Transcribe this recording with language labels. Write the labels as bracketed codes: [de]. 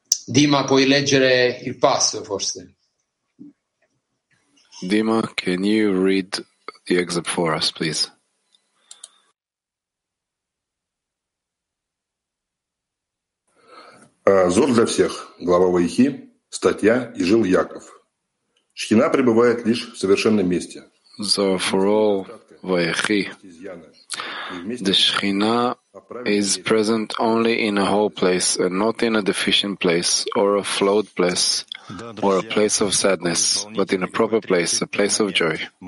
[it] Dima, puoi leggere il passo forse? [en] Dima, can you read the excerpt for us, please? [ru] Зор для всех. Глава Ваихи. Статья «И жил Яков». Шхина пребывает лишь в совершенном месте. [en] Зор for all Ваихи. The Shechina is present only in a whole place and not in a deficient place or a flawed place or a place of sadness, but in a proper place, a place of joy.